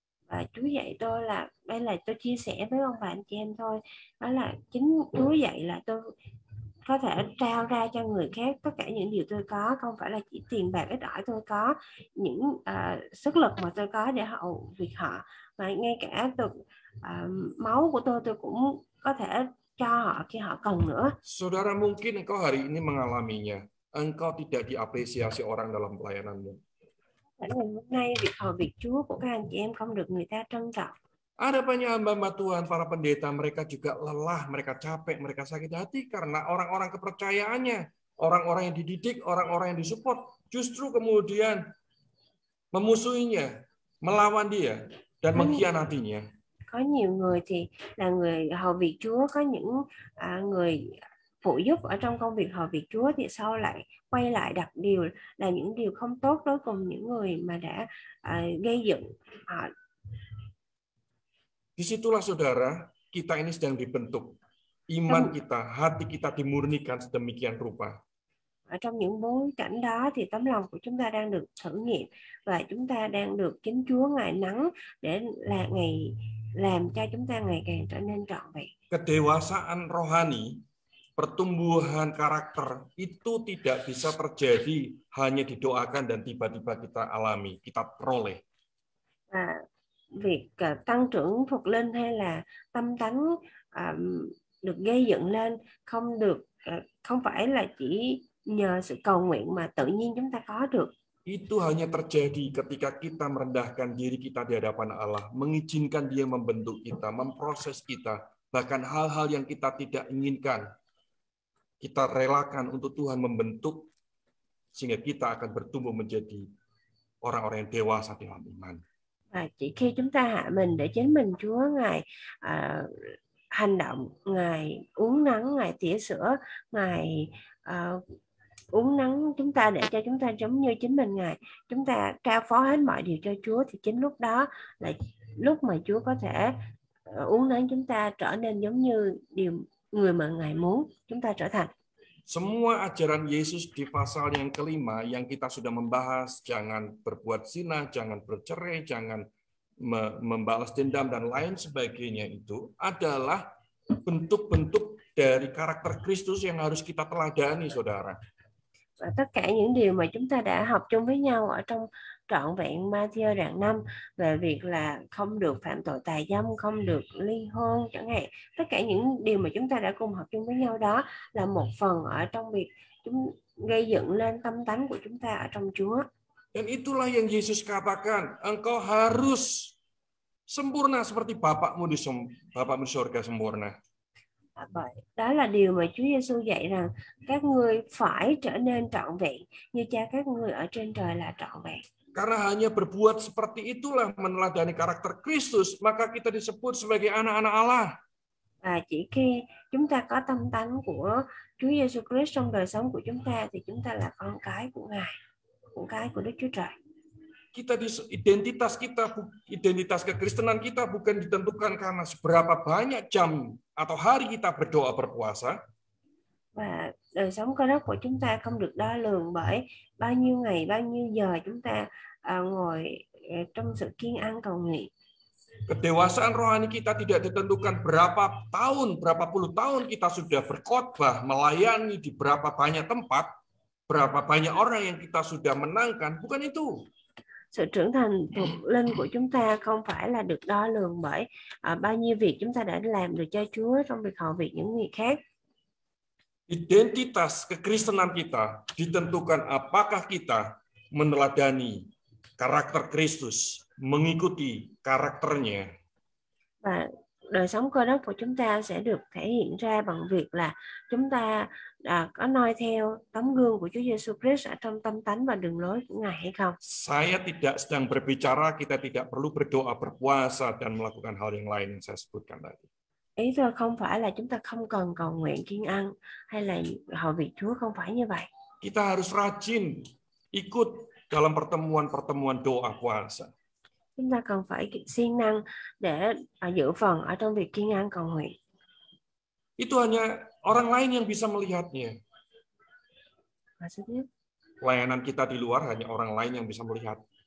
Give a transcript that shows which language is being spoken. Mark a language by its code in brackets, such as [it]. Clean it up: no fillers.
[vi] Và Chúa dạy tôi là, đây là tôi chia sẻ với ông bà anh chị em thôi, đó là chính Chúa dạy là tôi có thể trao ra cho người khác tất cả những điều tôi có, không phải là chỉ tiền bạc ít ỏi tôi có, những sức lực mà tôi có để hậu việc họ, mà ngay cả được máu của tôi cũng có thể cho họ khi họ cần nữa. [id] Saudara mungkin engkau hari ini mengalaminya, engkau tidak diapresiasi orang dalam pelayananmu. [vi] Hôm nay việc hầu việc Chúa của các anh chị em không được người ta trân trọng. [id] Ada banyak hamba-hamba Tuhan, para pendeta, mereka juga lelah, mereka capek, mereka sakit hati karena orang-orang kepercayaannya, orang-orang yang dididik, orang-orang yang disupport, justru kemudian memusuhinya, melawan dia, dan mengkhianatinya. [vi] Có nhiều người thì là người hầu việc Chúa, có những người phụ giúp ở trong công việc hầu việc Chúa thì sau lại quay lại đặt điều là những điều không tốt đối cùng những người mà đã gây dựng họ. [id] Disitulah saudara, kita ini sedang dibentuk. Iman kita, hati kita dimurnikan sedemikian rupa. [vi] Ở trong những bối cảnh đó thì tấm lòng của chúng ta đang được thử nghiệm và chúng ta đang được chính Chúa Ngài nắng để là ngày làm cho chúng ta ngày càng trở nên trọn vẹn. [id] Kedewasaan rohani, pertumbuhan karakter itu tidak bisa terjadi hanya didoakan dan tiba-tiba kita alami, kita peroleh. [vi] Và việc tăng trưởng thuộc linh hay là tâm tánh được gây dựng lên không được không phải là chỉ nhờ sự cầu nguyện mà tự nhiên chúng ta có được. [id] Itu hanya terjadi ketika kita merendahkan diri kita di hadapan Allah, mengizinkan Dia membentuk kita, memproses kita, bahkan hal-hal yang kita tidak inginkan kita relakan untuk Tuhan membentuk sehingga kita akan bertumbuh menjadi orang-orang yang dewasa di dalam iman. [vi] Và chỉ khi chúng ta hạ mình để chính mình Chúa, Ngài hành động, Ngài uống nắng, Ngài tỉa sữa, Ngài uống nắng chúng ta để cho chúng ta giống như chính mình Ngài, chúng ta trao phó hết mọi điều cho Chúa, thì chính lúc đó là lúc mà Chúa có thể uống nắng chúng ta trở nên giống như điều người mà Ngài muốn chúng ta trở thành. [id] Semua ajaran Yesus di pasal yang kelima yang kita sudah membahas, jangan berbuat zina, jangan bercerai, jangan membalas dendam dan lain sebagainya, itu adalah bentuk-bentuk dari karakter Kristus yang harus kita teladani, saudara. [vi] Và tất cả những điều mà chúng ta đã học chung với nhau ở trong trọn vẹn Matthew đoạn 5 về việc là không được phạm tội tà dâm, không được ly hôn chẳng hạn, tất cả những điều mà chúng ta đã cùng học chung với nhau đó là một phần ở trong việc chúng gây dựng lên tâm tánh của chúng ta ở trong Chúa. [id] Dan itulah yang Yesus katakan, engkau harus sempurna seperti Bapakmu di surga sempurna. [vi] Bởi đó là điều mà Chúa Giêsu dạy rằng các ngươi phải trở nên trọn vẹn như Cha các ngươi ở trên trời là trọn vẹn. [id] Karena hanya berbuat seperti itulah meneladani karakter Kristus, maka kita disebut sebagai anak-anak Allah. [vi] Và chỉ khi chúng ta có tâm tánh của Chúa Giêsu Christ trong đời sống của chúng ta thì chúng ta là con cái của Ngài, con cái của Đức Chúa Trời. [id] Kita identitas kita, identitas kekristenan kita bukan ditentukan karena seberapa banyak jam atau hari kita berdoa berpuasa. [vi] Và đời sống cơ đốc của chúng ta không được đo lường bởi bao nhiêu ngày, bao nhiêu giờ chúng ta ngồi trong sự kiêng ăn cầu nguyện. [id] Kedewasaan rohani kita tidak ditentukan berapa tahun, berapa puluh tahun kita sudah berkhotbah, melayani di berapa banyak tempat, berapa banyak orang yang kita sudah menangkan, bukan itu. [vi] Sự trưởng thành thuộc linh của chúng ta không phải là được đo lường bởi bao nhiêu việc chúng ta đã làm được cho Chúa trong việc hầu việc những người khác. [id] Identitas kekristenan kita ditentukan apakah kita meneladani karakter Kristus, mengikuti karakternya. [vi] Và đời sống cơ đốc của chúng ta sẽ được thể hiện ra bằng việc là chúng ta có noi theo tấm gương của Chúa Giêsu Christ ở trong tâm tánh và đường lối của Ngài hay không. [id] Saya tidak sedang berbicara kita tidak perlu berdoa, berpuasa dan melakukan hal yang lain yang saya sebutkan tadi. [vi] Ý tôi không phải là chúng ta không cần cầu nguyện kiêng ăn hay là hầu việc Chúa, không phải như vậy. [id] Kita harus rajin ikut dalam pertemuan-pertemuan doa puasa. [vi] Chúng ta cần phải siêng năng để giữ phần ở trong việc kiêng ăn cầu nguyện. [id] Itu hanya orang lain yang bisa melihatnya. Maksudnya? Layanan kita di luar hanya orang lain yang bisa melihat.